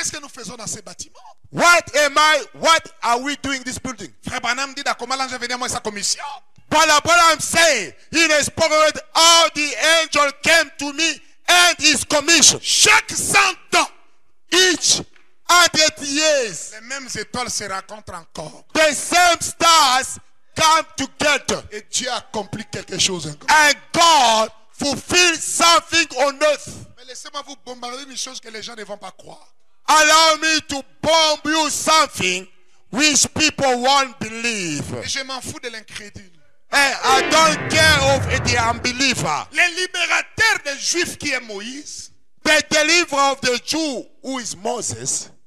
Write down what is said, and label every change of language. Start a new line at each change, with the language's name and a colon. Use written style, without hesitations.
French: Qu'est-ce que nous faisons dans ces bâtiments?
English: What are we doing in this building?
French: Frère Branham dit comment l'ange est venu à moi sa commission.
English: But Abraham said, in his prophet, how the angel came to me and his commission.
French: Chaque cent ans,
English: each 100 years,
French: les mêmes étoiles se rencontrent encore.
English: The same stars come together.
French: Et Dieu accomplit quelque chose en
English: grand. And God fulfills something on earth.
French: Laissez-moi vous bombarder une chose que les gens ne vont pas croire.
English: Allow me to bomb you something which people won't believe.
French: Et je m'en fous de l'incrédule.
English: Hey, I don't care of the unbeliever.
French: Le libérateur des Juifs qui est Moïse.
English: The deliverer of the Jew who is Moses.